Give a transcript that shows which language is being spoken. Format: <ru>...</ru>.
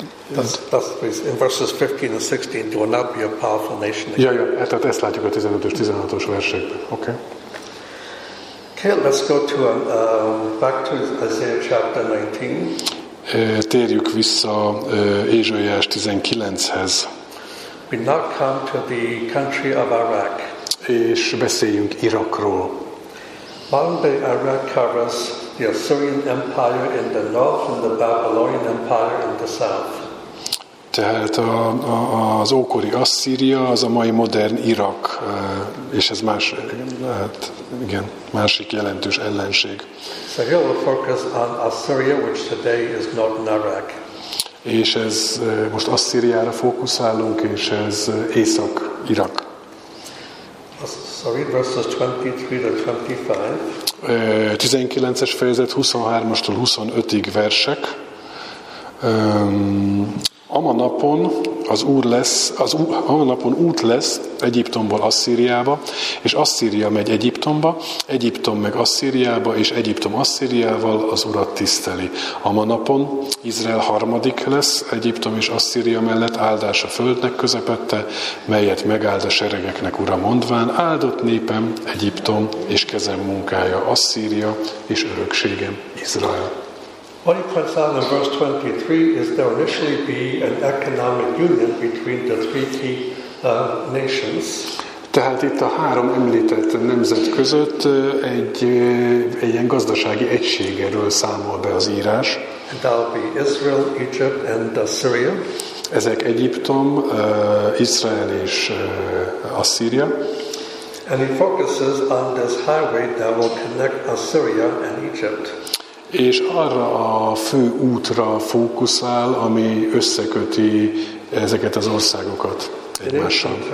<en>In verses 15 and 16, they will not be a powerful nation again.</en> <hu>Ja, tehát ezt látjuk a 15-ös, 16-os versekben.</hu> <en>Okay. Okay, let's go to back to Isaiah chapter 19.</en> <hu>Térjük vissza Ézsaiás 19-hez.</hu> <en>We now come to the country of Iraq.</en> <hu>És beszéljünk Irakról.</hu> <en>Modern-day Iraq covers the Assyrian Empire in the north and the Babylonian Empire in the south.</en> <hu>Tehát az ókori Asszíria, az a mai modern Irak, és ez más, hát igen, másik jelentős ellenség.</hu> <en>So here we'll focus on Assyria, which today is northern Iraq.</en> <hu>És ez most Asszíriára fókuszálunk, és ez Észak-Irak. Sorry, verses 23-25. 19-es fejezet, 23-astól 25-ig versek. Ama napon út lesz Egyiptomból Asszíriába, és Asszíria megy Egyiptomba, Egyiptom meg Asszíriába, és Egyiptom Asszíriával az Urat tiszteli. Ama napon Izrael harmadik lesz Egyiptom és Asszíria mellett, áldás a földnek közepette, melyet megáld a seregeknek ura mondván, áldott népem Egyiptom, és kezem munkája Asszíria, és örökségem Izrael.</hu> <en>What he points out in verse 23 is there will initially be an economic union between the three key nations.</en> <hu>Tehát itt a három említett nemzet között egy ilyen gazdasági egységről számol be az írás.</hu> <en>And that'll be Israel, Egypt and Assyria.</en> <hu>Ezek Egyiptom, Izrael és Asszíria.</hu> <en>And he focuses on this highway that will connect Assyria and Egypt.</en> <hu>És arra a fő útra fókuszál, ami összeköti ezeket az országokat egymással.</hu>